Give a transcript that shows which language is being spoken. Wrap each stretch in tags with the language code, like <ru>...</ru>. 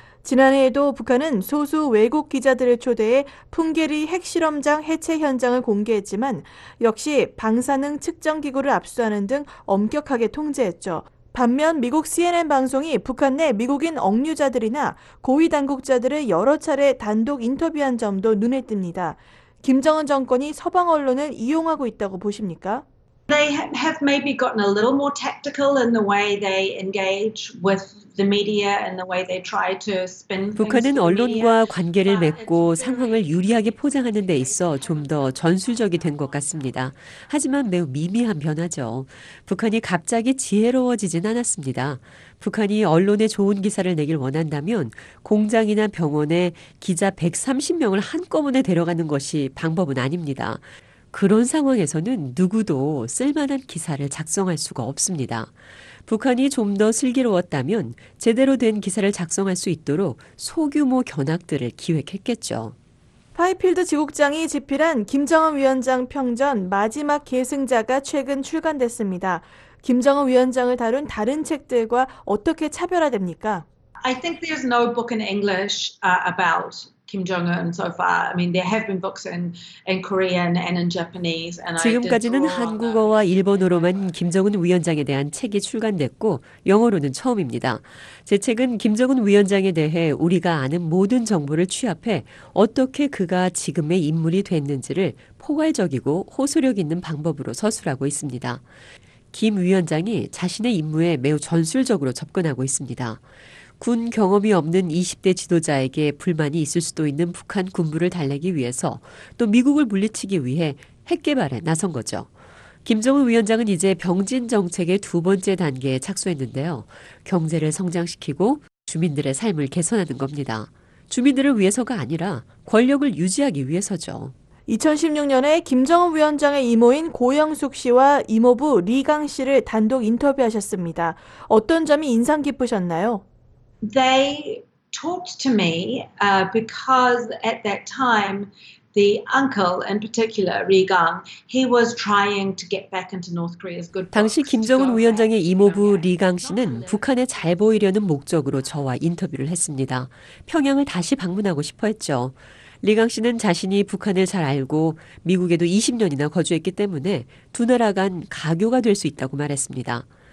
<ko>지난해에도 북한은 소수 외국 기자들을 초대해 풍계리 핵실험장 해체 현장을 공개했지만 역시 방사능 측정기구를 압수하는 등 엄격하게 통제했죠. 반면 미국 CNN 방송이 북한 내 미국인 억류자들이나 고위 당국자들을 여러 차례 단독 인터뷰한 점도 눈에 띕니다. 김정은 정권이 서방 언론을 이용하고 있다고 보십니까?</ko> <en>They have maybe gotten a little more tactical in the way they engage with the media and the way they try to spin things.</en> <ko>북한은 언론과 관계를 맺고 상황을 유리하게 포장하는 데 있어 좀 더 전술적이 된 것 같습니다. 하지만 매우 미미한 변화죠. 북한이 갑자기 지혜로워지진 않았습니다. 북한이 언론에 좋은 기사를 내길 원한다면 공장이나 병원에 기자 130명을 한꺼번에 데려가는 것이 방법은 아닙니다. 그런 상황에서는 누구도 쓸만한 기사를 작성할 수가 없습니다. 북한이 좀 더 슬기로웠다면 제대로 된 기사를 작성할 수 있도록 소규모 견학들을 기획했겠죠. 파이필드 지국장이 집필한 김정은 위원장 평전 마지막 계승자가 최근 출간됐습니다. 김정은 위원장을 다룬 다른 책들과 어떻게 차별화됩니까?</ko> <en>I think there's no book in English about Kim Jong-un so far. I mean, there have been books in Korean and in Japanese.</en> <ko>지금까지는 한국어와 일본어로만 김정은 위원장에 대한 책이 출간됐고 영어로는 처음입니다. 제 책은 김정은 위원장에 대해 우리가 아는 모든 정보를 취합해 어떻게 그가 지금의 인물이 됐는지를 포괄적이고 호소력 있는 방법으로 서술하고 있습니다. 김 위원장이 자신의 임무에 매우 전술적으로 접근하고 있습니다. 군 경험이 없는 20대 지도자에게 불만이 있을 수도 있는 북한 군부를 달래기 위해서 또 미국을 물리치기 위해 핵 개발에 나선 거죠. 김정은 위원장은 이제 병진 정책의 두 번째 단계에 착수했는데요. 경제를 성장시키고 주민들의 삶을 개선하는 겁니다. 주민들을 위해서가 아니라 권력을 유지하기 위해서죠. 2016년에 김정은 위원장의 이모인 고영숙 씨와 이모부 리강 씨를 단독 인터뷰하셨습니다. 어떤 점이 인상 깊으셨나요?</ko> <en>They talked to me because at that time the uncle in particular, Ri Gang, he was trying to get back into North Korea's good.</en> <ko>당시 김정은 위원장의 이모부 리강 씨는 북한에 잘 보이려는 목적으로 저와 인터뷰를 했습니다. 평양을 다시 방문하고 싶어 했죠. 리강 씨는 자신이 북한을 잘 알고 미국에도 20년이나 거주했기 때문에 두 나라 간 가교가 될 수 있다고 말했습니다.</ko>